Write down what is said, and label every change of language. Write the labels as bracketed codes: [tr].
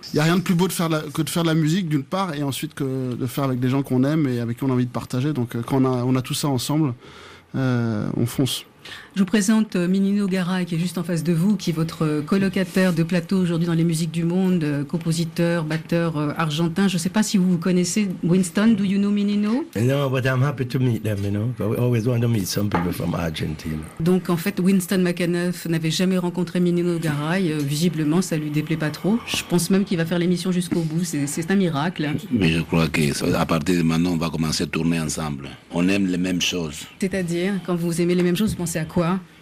[fr] Il y a rien de plus beau que de faire de la musique d'une part, et ensuite que de faire avec des gens qu'on aime et avec qui on a envie de partager. Donc quand on a tout ça ensemble, on fonce. Je vous présente Minino Garay, qui est juste en face de vous, qui est votre colocataire de plateau aujourd'hui dans les musiques du monde, compositeur, batteur argentin. Je ne sais pas si vous connaissez Winston. [en] Do you know Minino? No, but I'm happy to meet them, you know. But we always want to meet some people from Argentina. [fr] Donc, en fait, Winston McAnuff n'avait jamais rencontré Minino Garay. Visiblement, ça ne lui déplaît pas trop. Je pense même qu'il va faire l'émission jusqu'au bout. C'est un miracle. Mais je crois qu'à partir de maintenant, on va commencer à tourner ensemble. On aime les mêmes choses. C'est-à-dire, quand vous aimez les mêmes choses, vous pensez à quoi?